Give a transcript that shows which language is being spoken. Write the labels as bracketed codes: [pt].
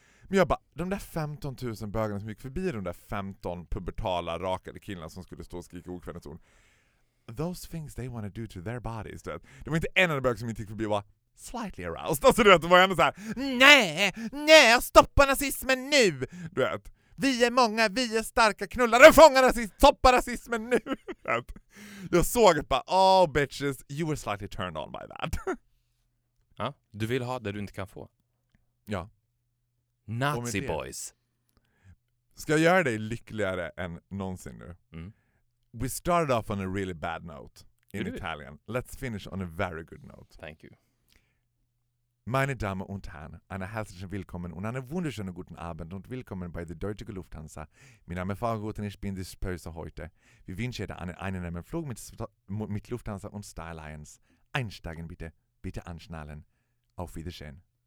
[sv] Men jag bara, de där 15 000 bögarna som gick förbi, de där 15 pubertala rakade killarna som skulle stå och skrika okvällningsord, [en] those things they want to do to their bodies, [sv] du vet. Det var inte en enda bög som inte gick förbi och bara, [en] slightly aroused. [sv] Alltså du vet, det var ändå så här, nej, stoppa nazismen nu, du vet. Vi är många, vi är starka, knullar och fångar rasism, toppar rasismen nu. Jag såg att bara, [en] oh bitches, you were slightly turned on by that. [sv] Ja, du vill ha det du inte kan få. Ja. [en] Nazi boys. [sv] Ska jag göra dig lyckligare än någonsin nu? Mm. [en] We started off on a really bad note in Italian. Let's finish on a very good note. Thank you. [de] Meine Damen und Herren, eine herzliche Willkommen und einen wunderschönen guten Abend und Willkommen bei der Deutschen Lufthansa. Mein Name ist Fahrgutin, ich bin die Spöse heute. Wir wünschen Ihnen einen angenehmen Flug mit Lufthansa und Star Alliance. Einsteigen bitte, bitte anschnallen. Auf Wiedersehen.